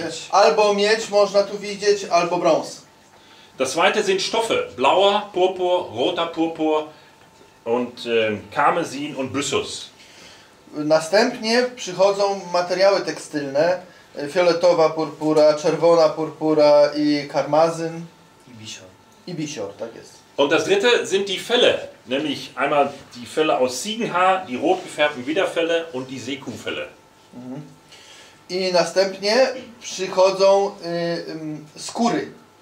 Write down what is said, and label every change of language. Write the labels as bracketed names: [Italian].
[Polish] albo miedź można tu widzieć, albo brąz. [German] Das zweite sind Stoffe, blauer Purpur, roter Purpur und Karmesin und Byssus. [Polish] Następnie przychodzą materiały tekstylne, fioletowa purpura, czerwona purpura i karmazyn i bisior. I bisior, tak jest. [German] Und das dritte sind die Felle, nämlich einmal die Felle aus Ziegenhaar, die rot gefärbten Widerfelle und die Seekuhfelle. [Polish] I następnie przychodzą skóry.